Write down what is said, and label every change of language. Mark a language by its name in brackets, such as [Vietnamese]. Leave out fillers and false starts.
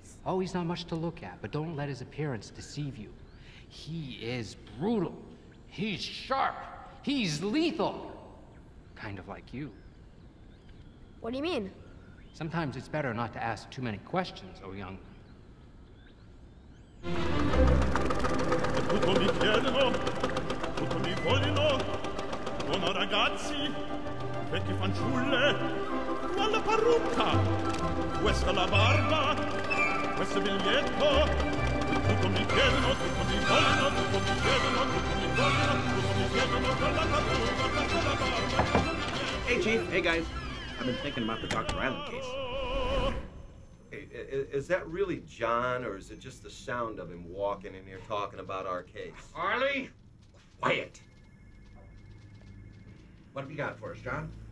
[English] Oh, he's not much to look at, but don't let his appearance deceive you. He is brutal. He's sharp. He's lethal! Kind of like you. What do you mean? Sometimes it's better not to ask too many questions, O Young. [Italian] Tutto mi chiedono, tutto mi vogliono, buono ragazzi, vecchie fanciulle, quella parrucca, questa la barba, questo biglietto, tutto mi chiedono, tutto mi vogliono, tutto mi chiedono, tutto mi vogliono. [English] Hey, Chief. Hey, guys. I've been thinking about the Dr. Island case. Hey, is that really John, or is it just the sound of him walking in here talking about our case? Arlie! Quiet! What have you got for us, John?